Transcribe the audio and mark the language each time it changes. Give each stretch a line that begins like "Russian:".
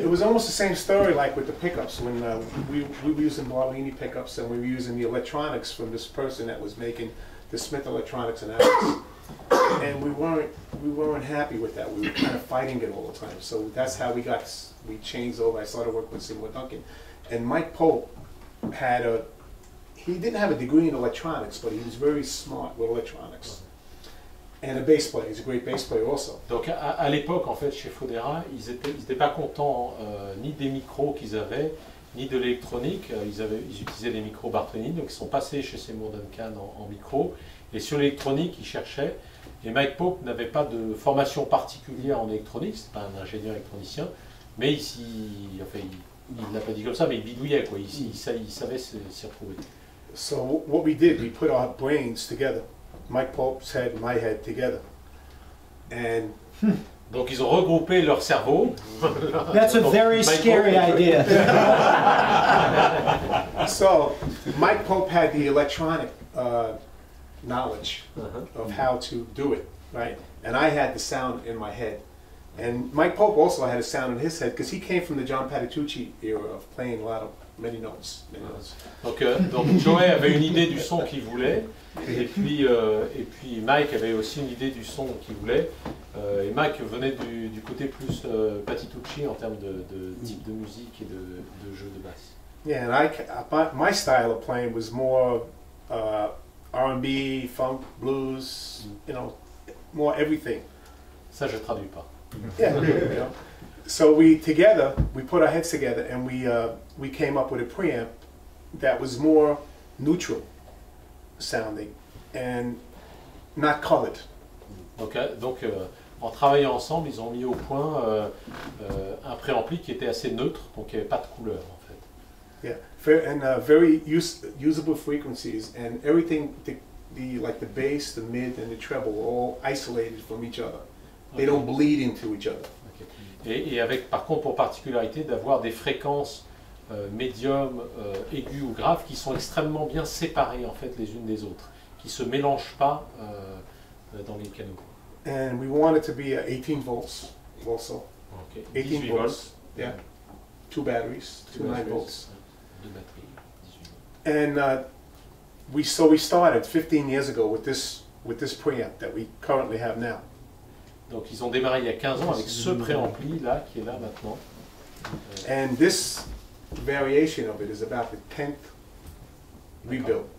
English: It was almost the same story, like with the pickups. When we were using Marlini pickups, and we were using the electronics from this person that was making the Smith electronics and ours, and we weren't happy with that. We were kind of fighting it all the time. So that's how we changed over. I started working with Seymour Duncan, and Mike Pope he didn't have a degree in electronics, but he was very smart with electronics. And a bass player, he's a great bass player also.
French: Donc à l'époque, en fait, chez Fodera, ils n'étaient pas contents ni des micros qu'ils avaient, ni de l'électronique. Ils utilisaient des micros Bartolini, donc ils sont passés chez Seymour Duncan en micro. Et sur l'électronique, ils cherchaient. Et Mike Pope n'avait pas de formation particulière en électronique, c'est pas un ingénieur électronicien. Mais il l'a pas dit comme ça, mais il bidouillait, quoi. Il savait s'y retrouver.
English: So what we did, we put our brains together. Mike Pope's head, my head together. And
French: donc ils ont regroupé leur cerveau.
English: That's a very Mike scary Pope idea. So Mike Pope had the electronic knowledge uh-huh. of how to do it, right? And I had the sound in my head. And Mike Pope also had a sound in his head because he came from the John Patitucci era of playing a lot of many notes.
French: Donc Joey avait une idée du son qu'il voulait, et puis Mike avait aussi une idée du son qu'il voulait. Et Mike venait du côté plus Patitucci en termes de type de musique et de jeu de basse.
English: Yeah, and my style of playing was more R&B, funk, blues, you know, more everything.
French: Ça, je traduis pas.
English: So we put our heads together and we came up with a preamp that was more neutral sounding and not colored.
French: Okay, donc en travaillant ensemble, ils ont mis au point un préampli qui était assez neutre, donc il n'y avait pas de couleur en fait.
English: Yeah, and very usable frequencies and everything, the bass, the mid and the treble were all isolated from each other. Okay. They don't bleed into each other.
French: Et avec, par contre, pour particularité, d'avoir des fréquences médium, aiguës ou graves qui sont extrêmement bien séparées, en fait, les unes des autres, qui ne se mélangent pas dans les canaux.
English: And we wanted to be 18 volts also. Okay. 18 volts. Yeah. Two batteries, 9 volts.
French: Deux batteries, 18 volts.
English: And we started 15 years ago with this preamp that we currently have now.
French: Donc ils ont démarré il y a 15 ans avec ce préampli là qui est là maintenant.
English: And this variation of it is about the 10th rebuild.